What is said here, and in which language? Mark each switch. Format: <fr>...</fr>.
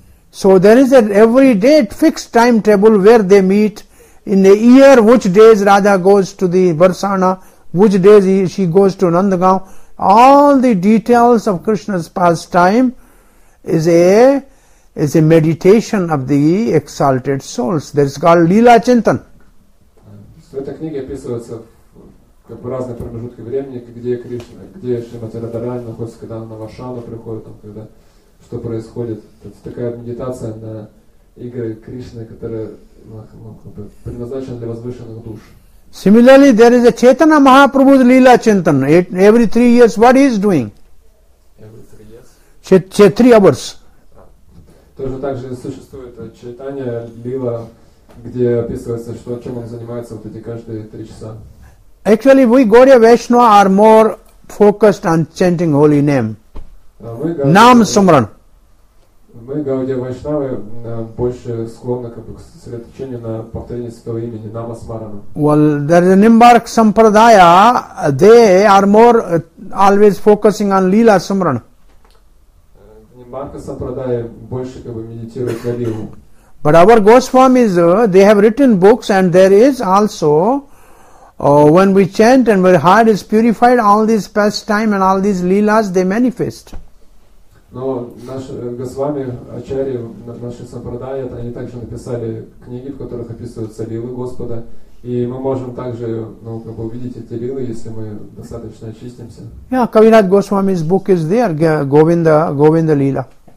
<en>So there is an every day fixed timetable where they meet. In a year, which days Radha goes to the Varsana, which days she goes to Nandgaon, all the details of Krishna's pastime is a meditation of the exalted souls. That is called Lila Chintan.</en> <ru>В этой книге описывается как бы разные промежутки времени, где Кришна, где Шримати Радхарани находится, когда она на Вашану приходит, там, когда что происходит. Это такая медитация на игры Кришны, которая предназначена для возвышенных душ.</ru> <en>Similarly, there is a Chaitanya Mahaprabhu's Leela Chintan. Every 3 years, what he is doing? Every 3 years? 3 hours. Also, there is a Chaitanya Leela,</en> <ru>где описывается, что чем он занимается вот эти каждые 3 часа.</ru> <en>Actually, we Gaudiya Vaishnava are more focused on chanting holy name. Naam Sumran.</en> <ru>Мы Gaudiya Vaishnava больше склонны как бы к сосредоточению на повторении святого имени Naam Smaran.</ru> <en>Well, there is a Nimbark Sampradaya. They are more always focusing on Leela Sumran.</en> <ru>Nimbarka Sampradaya больше как бы медитирует на Лилу.</ru> <en>But our Goswami is, they have written books, and there is also, when we chant and our heart is purified, all these pastime and all these leelas, they manifest.</en> <ru>Но наши Госвами, Ачарьи, наши Сампрадайи, они также написали книги, в которых описываются лилы Господа, и мы можем также, ну, как бы увидеть эти лилы, если мы достаточно очистимся.</ru> <en>Yeah, Kaviraj Goswami's book is there, Govinda, Govinda Lila.</en>